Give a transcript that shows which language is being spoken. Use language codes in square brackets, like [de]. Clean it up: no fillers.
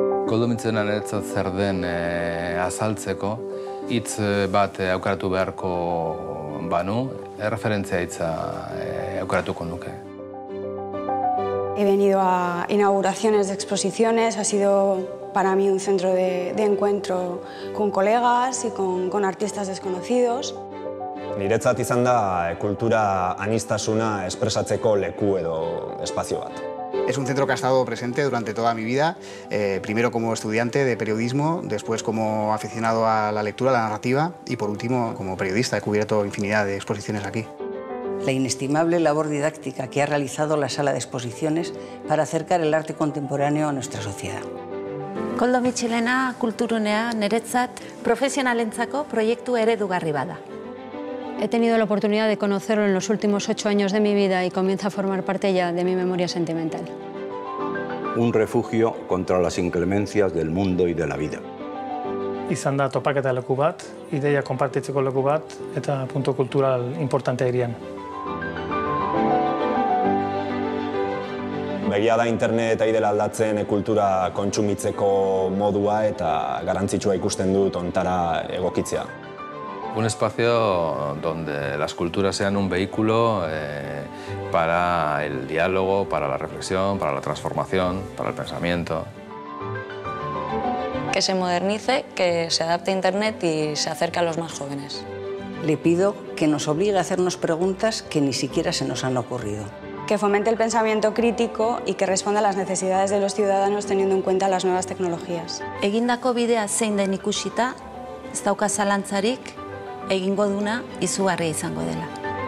[eu] Koldo Mitxelena niretzat zer den azaltzeko, hitz bat aukeratu beharko banu, erreferentzia hitza aukeratuko nuke. [es] He venido a inauguraciones de exposiciones, ha sido para mí un centro de encuentro con colegas y con artistas desconocidos. [eu] Niretzat izan da kultura anistasuna espresatzeko leku edo espazio bat. [es] Es un centro que ha estado presente durante toda mi vida, primero como estudiante de periodismo, después como aficionado a la lectura, a la narrativa, y por último como periodista. He cubierto infinidad de exposiciones aquí. La inestimable labor didáctica que ha realizado la sala de exposiciones para acercar el arte contemporáneo a nuestra sociedad. [eu] Koldo Michelena kulturunea neretzat profesionalentzako proiektu eredugarri bada. [es] He tenido la oportunidad de conocerlo en los últimos 8 años de mi vida y comienza a formar parte ya de mi memoria sentimental. Un refugio contra las inclemencias del mundo y de la vida. [eu] izan da topaketa leku bat, ideia konpartitzeko leku bat eta puntu kultural importantea irian. Begia da internet ari dela aldatzen kultura kontsumitzeko modua eta garrantzitsua ikusten dut ontara egokitzea. [es] Un espacio donde las culturas sean un vehículo para el diálogo, para la reflexión, para la transformación, para el pensamiento. Que se modernice, que se adapte a internet y se acerque a los más jóvenes. Le pido que nos obligue a hacernos preguntas que ni siquiera se nos han ocurrido. Que fomente el pensamiento crítico y que responda a las necesidades de los ciudadanos teniendo en cuenta las nuevas tecnologías. [eu] Egindako bidea zein den ikusita, ez dauka zalantzarik, egingo duna izugarria izango dela.